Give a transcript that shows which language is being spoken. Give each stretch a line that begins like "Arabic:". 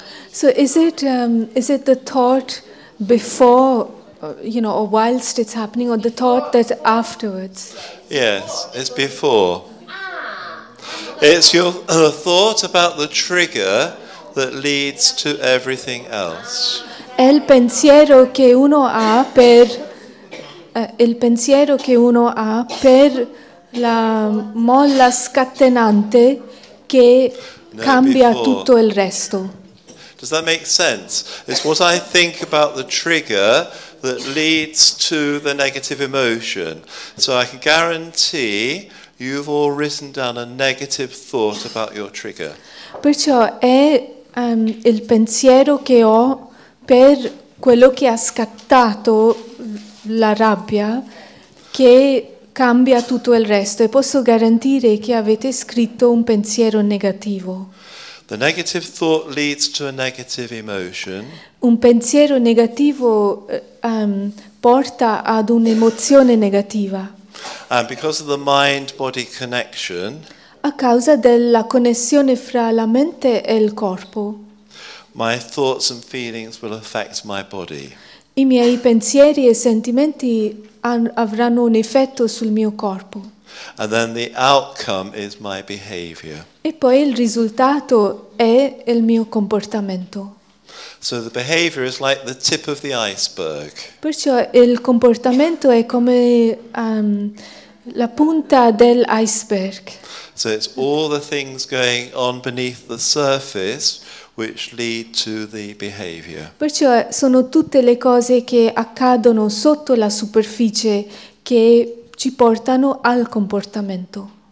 English: So is it the thought before, you know, or whilst it's happening, or the thought that afterwards? Yes, it's before. It's your thought about the trigger that leads to everything else.
Italian: Il pensiero che uno ha per la molla scatenante che cambia tutto il resto.
English: Does that make sense? It's what I think about the trigger that leads to the negative emotion. So I can guarantee you've all written down a negative thought about your trigger.
Italian: Perciò è il pensiero che ho per quello che ha scattato la rabbia che cambia tutto il resto. E posso garantire che avete scritto un pensiero negativo.
English: The negative thought leads to a negative emotion.
Italian: Un pensiero negativo porta ad un'emozione negativa.
English: And because of the mind-body connection.
Italian: A causa della connessione fra la mente e il corpo.
English: My thoughts and feelings will affect my body.
Italian: I miei pensieri e sentimenti avranno un effetto sul mio corpo.
English: And then the outcome is my behavior.
Italian: E poi il risultato è il mio comportamento.
English: So the behavior is like the tip of the iceberg.
Italian: Perciò il comportamento è come la punta dell'iceberg.
English: So it's all the things going on beneath the surface which lead to the behavior.
Italian: Perciò sono tutte le cose che accadono sotto la superficie che ci portano al comportamento.